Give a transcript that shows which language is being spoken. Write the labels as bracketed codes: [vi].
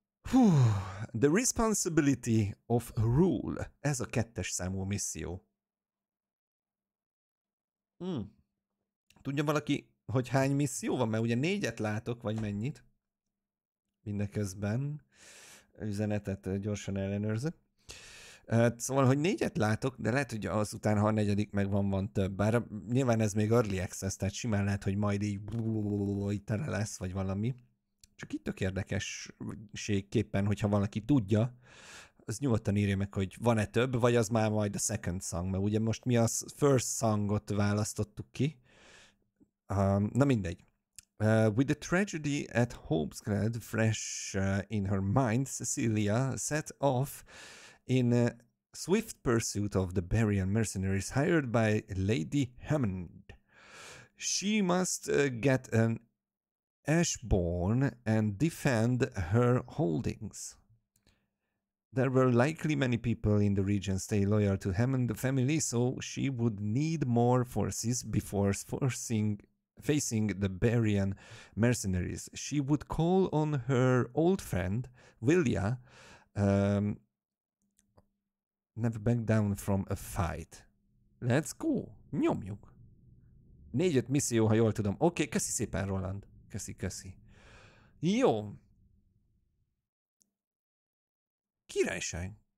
[en] Hú, the responsibility of rule. [hu] Ez a kettes számú misszió. Hmm. Tudja valaki, hogy hány misszió van? Mert ugye négyet látok, vagy mennyit. Mindeközben üzenetet gyorsan ellenőrzök. Szóval, hogy négyet látok, de lehet, hogy azután, ha a negyedik meg van, van több. Bár nyilván ez még early access, tehát simán lehet, hogy majd így tele lesz, vagy valami. Csak itt tök érdekességképpen, hogyha valaki tudja, az nyugodtan írja meg, hogy van-e több, vagy az már majd a second song, mert ugye most mi a first songot választottuk ki. Na mindegy. [en] With the tragedy at Hope's Glade fresh in her mind, Cecilia set off in a swift pursuit of the Berian mercenaries hired by Lady Hammond. She must get an Ashbourne and defend her holdings. There were likely many people in the region stay loyal to Hammond the family, so she would need more forces before facing the Berian mercenaries. She would call on her old friend, Willia, never back down from a fight. Let's go! [hu] Nyomjuk! Négyet misszió, ha jól tudom. Oké, okay, köszi szépen, Roland. Köszi, köszi. Jó! Királyság.